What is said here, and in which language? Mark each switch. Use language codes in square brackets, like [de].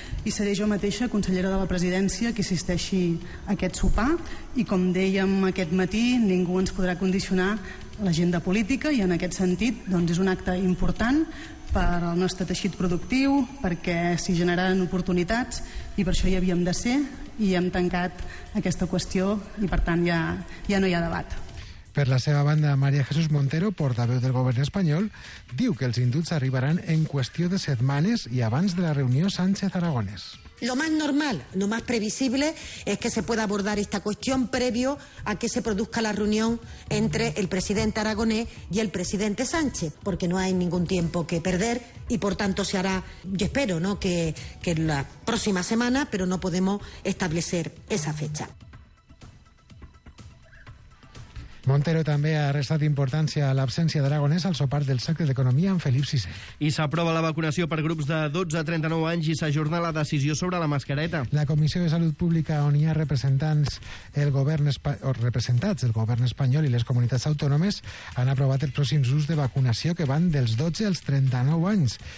[ca] i seré jo mateixa consellera de la presidència que assisteixi a aquest sopar i, com dèiem aquest matí, ningú ens podrà condicionar l'agenda política i en aquest sentit doncs, és un acte important per al nostre teixit productiu, perquè s'hi generaran oportunitats i per això hi havíem de ser i hem tancat aquesta qüestió i per tant ja no hi ha debat. Per la seva banda, Maria Jesús Montero, portaveu del govern espanyol, diu que els indults arribaran en qüestió de setmanes i abans de la reunió Sánchez-Aragonès. [es] Lo más normal, lo más previsible, es que se pueda abordar esta cuestión previo a que se produzca la reunión entre el presidente Aragonés y el presidente Sánchez, porque no hay ningún tiempo que perder y por tanto se hará, yo espero, ¿no?, que en la próxima semana, pero no podemos establecer esa fecha. [ca] Montero també ha restat importància a l'absència d'Aragonès al sopar del Cercle d'Economia amb Felip VI. I s'aprova la vacunació per grups de 12 a 39 anys i s'ajorna la decisió sobre la mascareta. La Comissió de Salut Pública, on hi ha representats el govern espanyol i les comunitats autònomes, han aprovat els pròxims usos de vacunació que van dels 12 als 39 anys.